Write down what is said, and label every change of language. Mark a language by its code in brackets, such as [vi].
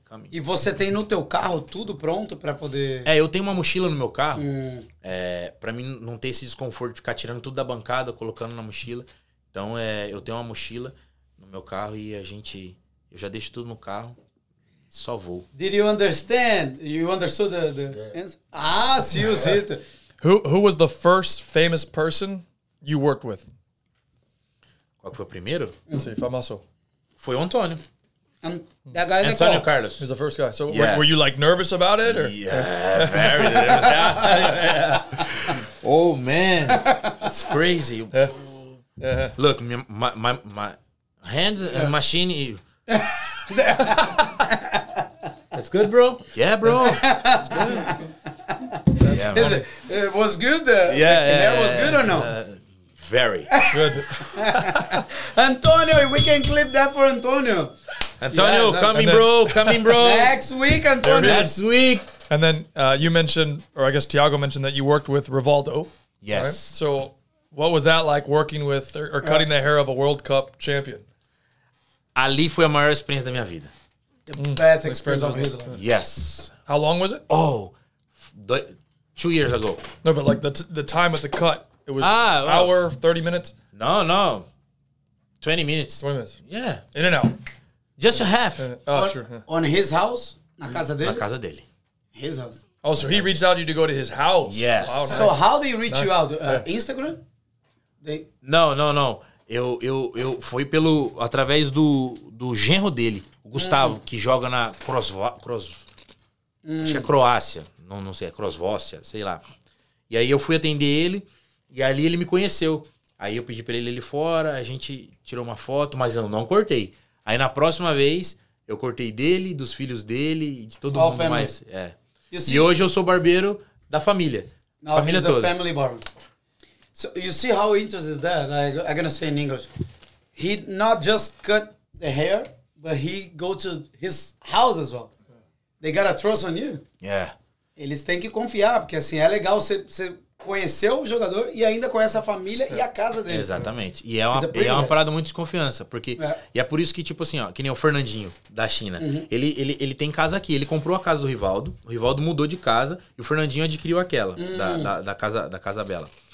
[pt] E você tem no teu carro tudo pronto pra poder... Eu tenho uma mochila no meu carro. Pra mim não ter esse desconforto de ficar tirando tudo da bancada, colocando na mochila. Então, eu tenho uma mochila no meu carro e a gente... Eu já deixo tudo no carro. Só vou. [en] Did you understand? You understood the answer? Ah, see you, Zito. Who was the first famous person you worked with? [pt] Qual que foi o primeiro? Sim, famoso. Foi o Antônio. Antônio Carlos. [en] He's the first guy. So were you like nervous about it? Or? Yeah, very nervous. Oh, man. It's crazy. Yeah. Look, my hands and machine. That's good, bro. Yeah, bro. It's good. Is it was good? Yeah, the hair was good or no? Very good. Antonio, we can clip that for Antonio. Antonio, yeah, coming, bro. Next week, Antonio. Next week. And then you mentioned, or I guess Thiago mentioned that you worked with Rivaldo. Yes. Right? So what was that like working with or cutting the hair of a World Cup champion? [pt] Ali foi a maior experiência da minha vida. [en] The best experience of his life. Yes. How long was it? Oh, 2 years ago. No, but like the time of the cut, it was an hour, 30 minutes? No. 20 minutes. 20 minutes. Yeah. In and out. Just a half. On his house? [pt] Na casa dele? Na casa dele. [en] His house. Oh, so he reached out to you to go to his house? Yes. Wow, nice. So how did he reach you out? Instagram? No. [pt] Eu fui pelo através do genro dele, o Gustavo, que joga na acho que é Croácia. Não sei, é Crosvócia, sei lá. E aí eu fui atender ele, e ali ele me conheceu. Aí eu pedi pra ele ir fora, a gente tirou uma foto, mas eu não cortei. Aí na próxima vez, eu cortei dele, dos filhos dele, de todo mundo. Mas, [en] You see, [pt] e hoje eu sou barbeiro da família. [en] Now [pt] família [en] he's [pt] toda. [en] The family barber. So you see how interesting is that? I'm going to say in English. He not just cut the hair, but he go to his house as well. They got a trust on you. Yeah. [pt] Eles têm que confiar, porque assim, é legal você conhecer o jogador e ainda conhece a família e a casa dele. Exatamente. E é uma parada muito de confiança. Porque, e é por isso que, tipo assim, ó, que nem o Fernandinho, da China. Uhum. Ele tem casa aqui. Ele comprou a casa do Rivaldo. O Rivaldo mudou de casa e o Fernandinho adquiriu aquela, da casa Bela.